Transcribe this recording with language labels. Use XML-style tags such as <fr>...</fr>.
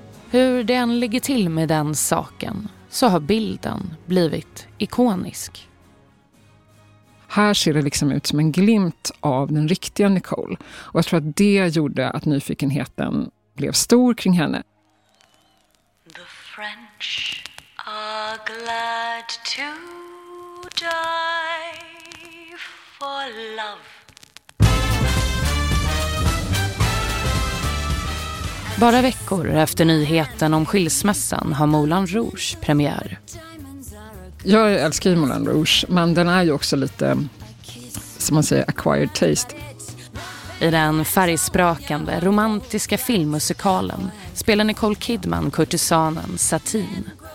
<sv>Hur det än ligger till med den saken så har bilden blivit ikonisk. Här ser det liksom ut som en glimt av den riktiga Nicole. Och jag tror att det gjorde att nyfikenheten blev stor kring henne.</sv> <en>The French are glad to die for love.</en> <sv>Bara veckor efter nyheten om skilsmässan har Moulin Rouge premiär. Jag älskar ju Moulin Rouge, men den är ju också lite, som man säger,</sv> <en>acquired taste.</en> <sv>I den färgsprakande, romantiska filmmusikalen spelar Nicole Kidman kurtisanen Satin.</sv>